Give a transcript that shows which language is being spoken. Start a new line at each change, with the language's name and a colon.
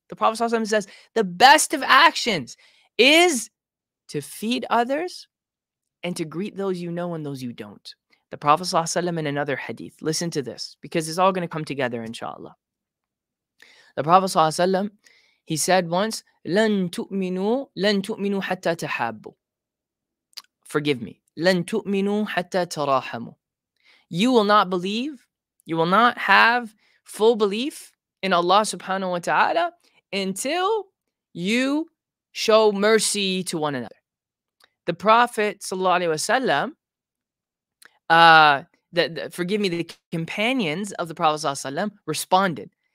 English: The Prophet ﷺ says, the best of actions is to feed others and to greet those you know and those you don't. The Prophet ﷺ in another hadith, listen to this, because it's all going to come together, inshallah. The Prophet ﷺ, He said once,
Arabic: لن تؤمنوا, لن تؤمنوا حتى تحابوا.
English: Forgive me.
Arabic: لن تؤمنوا حتى تراحموا.
English: You will not believe, you will not have full belief in Allah subhanahu wa ta'ala until you show mercy to one another. The Prophet sallallahu alaihi wasallam, the companions of the Prophet sallallahu alaihi wasallam responded.